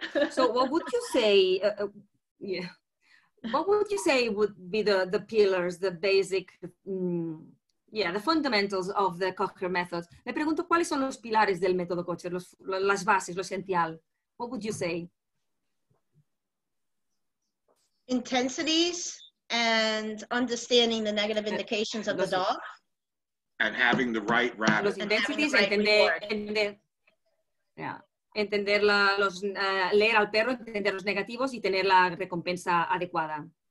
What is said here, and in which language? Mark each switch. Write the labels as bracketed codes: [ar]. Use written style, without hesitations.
[en] So what would you say, what would you say would be the pillars, the basic, the fundamentals of the Cocher method? [es] Me pregunto, ¿cuáles son los pilares del método Cocher, las bases, lo esencial? [en] What would you say? Intensities and understanding the negative indications of the dog. And having the right rabbit. [es] Los intensities, entender los leer al perro, entender los negativos y tener la recompensa adecuada.